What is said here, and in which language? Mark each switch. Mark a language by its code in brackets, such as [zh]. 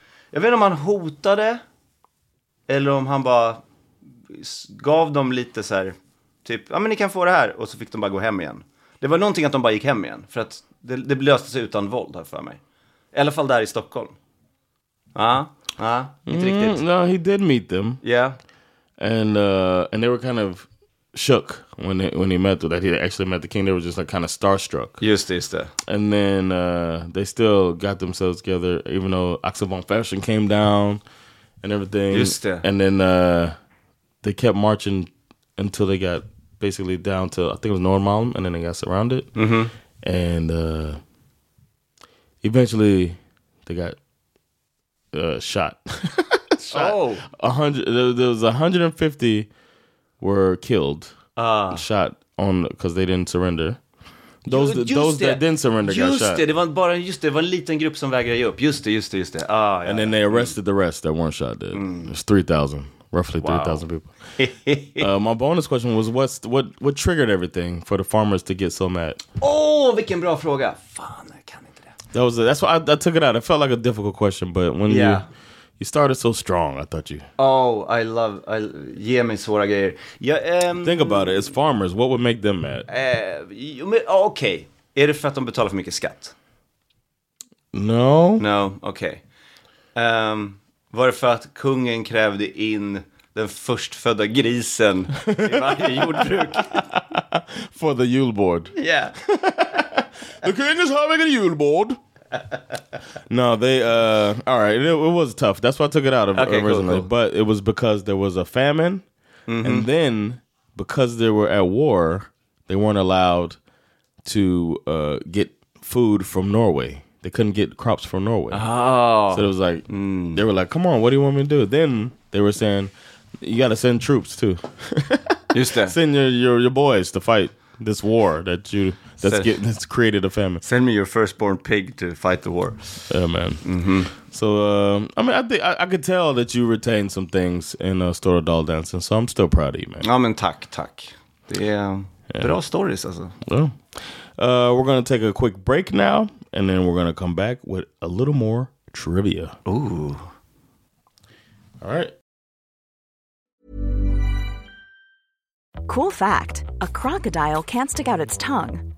[sv] jag vet inte om han hotade. Eller om han bara gav dem lite så här... Typ, ja men ni kan få det här. Och så fick de bara gå hem igen. Det var någonting att de bara gick hem igen. För att det löste sig utan våld här för mig. I alla fall där i Stockholm. Ja, inte riktigt. [en] No, he did meet them. Yeah. And they were kind of shook when he met them, that he actually met the king. They were just like kind of starstruck. [sv] Just det. [en] And then they still got themselves together, even though Axel von Fersen came down and everything. [sv] Just det. [en] And then they kept marching until they got basically down to, I think it was Norrmalm, and then they got surrounded. Mm-hmm. And eventually they got shot. Oh, 100. There was 150 were killed, shot on because they didn't surrender. Those that didn't surrender just got shot. [sv] Det var bara just det. Det var en liten grupp som vägrade ge upp. Just det. Ah, [en] and then they arrested the rest that weren't shot. Dead. It's 3,000, roughly 3,000 people. My bonus question was what triggered everything for the farmers to get so mad? [sv] Oh, vilken bra fråga. Fan, jag kan inte det. [en] That was that's why I took it out. It felt like a difficult question, but when you started so strong, I thought you... Oh, I love... [sv] Ge mig svåra grejer. [en] Think about it. As farmers, what would make them mad? [sv] Okej. Är det för att de betalar för mycket skatt? [en] No, [sv] okej. Var det för att kungen krävde in den förstfödda grisen i varje jordbruk? [en] For the julbord. Yeah. The king is having a julbord. No, they all right, it was tough. That's why I took it out of originally. Cool. But it was because there was a famine. Mm-hmm. And then because they were at war, they weren't allowed to get food from Norway. They couldn't get crops from Norway. Oh. So it was like they were like, "Come on, what do you want me to do?" Then they were saying, "You got to send troops too." Just that. Send your boys to fight this war that you that's created a famine. Send me your firstborn pig to fight the war. Yeah, man. Mm-hmm. So, I mean, I think I could tell that you retained some things in Stora Doll Dancing, so I'm still proud of you, man. [sv] Ja, men tack. Det är bra stories, alltså. [en] Yeah. We're going to take a quick break now, and then we're going to come back with a little more trivia. Ooh. All right. Cool fact, a crocodile can't stick out its tongue.